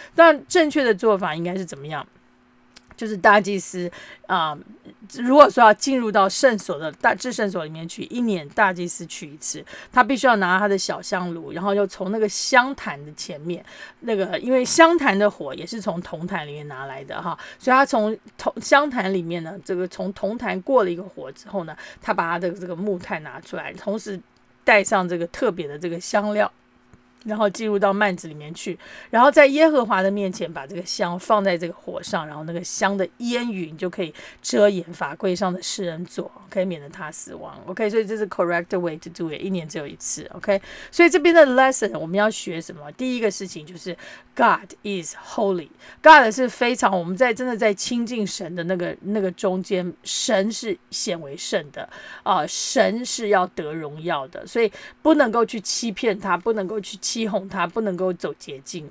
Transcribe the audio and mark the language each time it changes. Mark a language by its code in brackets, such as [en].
[zh] 那正确的做法应该是怎么样，就是大祭司如果说要进入到圣所的大至圣所里面去，一年大祭司去一次，他必须要拿他的小香炉，然后又从那个香坛的前面，那个因为香坛的火也是从铜坛里面拿来的哈，所以他从香坛里面呢，这个从铜坛过了一个火之后呢，他把他的这个木炭拿出来，同时带上这个特别的这个香料，然后进入到幔子里面去，然后在耶和华的面前把这个香放在这个火上，然后那个香的烟云就可以遮掩法柜上的施恩座，可以免得他死亡。 OK， 所以这是 [en] correct way to do it， [zh] 一年只有一次。 OK， 所以这边的 lesson 我们要学什么，第一个事情就是 [en] God is holy， [zh] God 是非常，我们在真的在亲近神的那个中间，神是显为圣的神是要得荣耀的，所以不能够去欺骗他，不能够去欺哄他，不能够走捷径。